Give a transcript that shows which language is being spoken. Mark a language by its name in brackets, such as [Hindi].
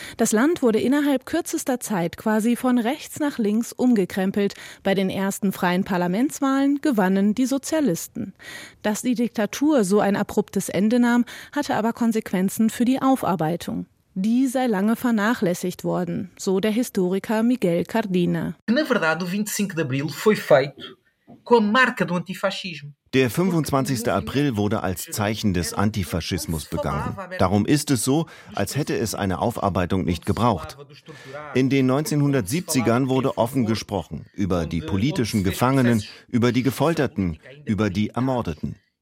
[German] Das Land wurde innerhalb kürzester Zeit quasi von rechts nach links umgekrempelt. Bei den ersten freien Parlamentswahlen gewannen die Sozialisten. Dass die Diktatur so ein abruptes Ende nahm, hatte aber Konsequenzen für die Aufarbeitung. Die sei lange vernachlässigt worden, so der Historiker Miguel Cardina. [Portuguese] Na verdade, o 25 de Abril foi feito com a marca do antifascismo. [German] Der 25. April wurde als Zeichen des Antifaschismus begangen. Darum ist es so, als hätte es eine Aufarbeitung nicht gebraucht. In den 1970ern wurde offen gesprochen über die politischen Gefangenen, über die Gefolterten, über die Ermordeten.